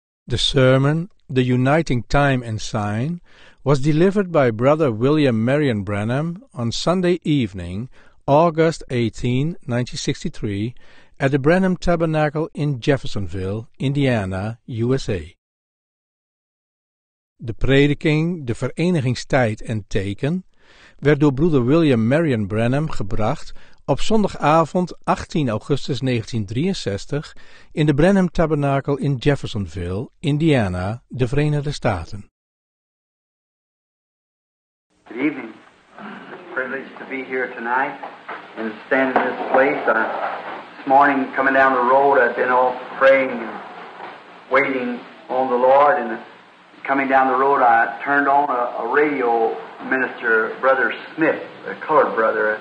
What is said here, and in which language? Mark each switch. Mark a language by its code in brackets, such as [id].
[en] The sermon, The Uniting Time and Sign, was delivered by Brother William Marion Branham on Sunday evening, August 18, 1963, at the Branham Tabernacle in Jeffersonville, Indiana, USA. [nl] De prediking, De Verenigingstijd en Teken, werd door Broeder William Marion Branham gebracht op zondagavond 18 augustus 1963 in de Branham Tabernacle in Jeffersonville, Indiana, de Verenigde Staten. [en] Good evening. It's a privilege to be here tonight and stand in this place. This morning, coming down the road, I've been all praying and waiting on the Lord. And coming down the road, I turned on a radio minister, Brother Smith, a colored brother.